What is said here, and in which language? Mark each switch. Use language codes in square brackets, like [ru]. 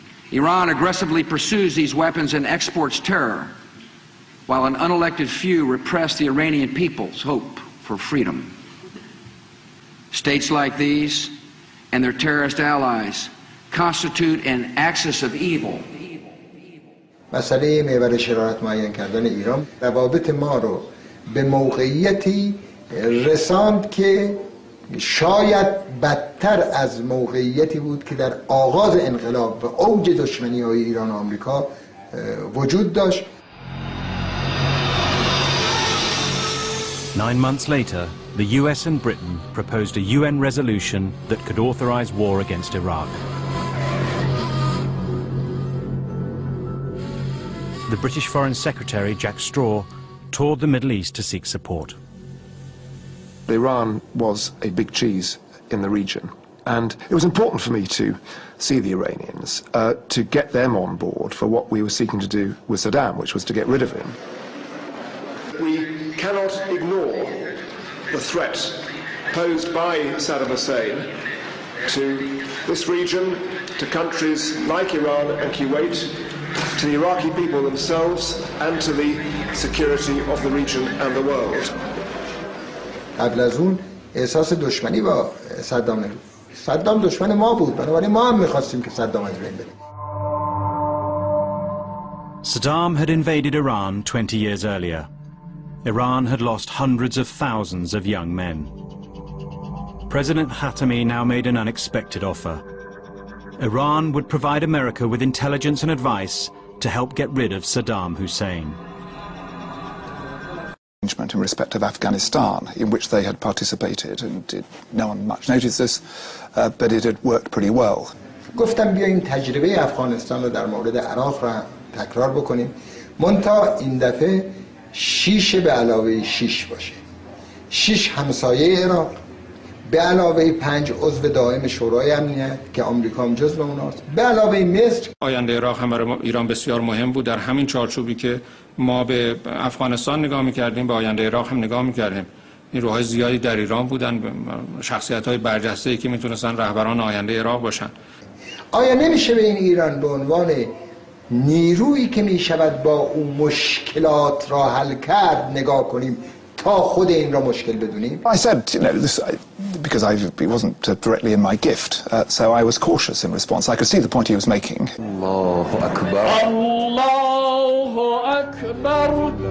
[en] Iran aggressively pursues these weapons and exports terror, while an unelected few repress the Iranian people's hope for freedom. States like these and their terrorist allies constitute an axis of evil. [fa] مسئله محور شرارت معین کردن ایران روابط ما رو به موقعیتی رساند که شاید بدتر از موقعیتی بود که در آغاز انقلاب و اوج دشمنی های ایران و آمریکا وجود داشت. [en] 9 months later, the US and Britain proposed a UN resolution that could authorize war against Iraq. The British Foreign Secretary, Jack Straw, toured the Middle East to seek support. Iran was a big cheese in the region, and it was important for me to see the Iranians, to get them on board for what we were seeking to do with Saddam, which was to get rid of him. We cannot ignore the threat posed by Saddam Hussein to this region, to countries like Iran and Kuwait, to the Iraqi people themselves, and to the security of the region and the world. [fa] قبل از اون احساس دشمنی با صدام نبود. صدام دشمن ما بود، بنابراین ما هم می‌خواستیم که صدام از بین بره. [en] Saddam had invaded Iran 20 years earlier. Iran had lost hundreds of thousands of young men. President Khatami now made an unexpected offer. Iran would provide America with intelligence and advice to help get rid of Saddam Hussein. Arrangement in respect of Afghanistan, in which they had participated, and did, no one much noticed this, but it had worked pretty well. [fa] گفتم بیاین تجربه افغانستان رو در مورد عراق را تکرار بکنیم. مونتا این دفعه 6 به علاوه 6 باشه. 6 همسایه عراق به علاوه 5 عضو دائم شورای امنیت که آمریکا هم جزء اوناست. به علاوه مصر. آینده عراق هم برای ایران بسیار مهم بود. در همین چارچوبی که ما به افغانستان نگاه می‌کردیم، به آینده عراق هم نگاه می‌کردیم. این روح‌های زیادی در ایران بودن، شخصیت‌های برجسته‌ای که می‌تونستن رهبران آینده عراق باشن. آیا نمی‌شه به این ایران به عنوان نیرویی که می شود با اون مشکلات را حل کرد نگاه کنیم تا خود این را مشکل بدونیم؟ [en] I said, you know, this, because I wasn't directly in my gift, so I was cautious in response. I could see the point he was making. [ar] الله اکبر. الله اکبر.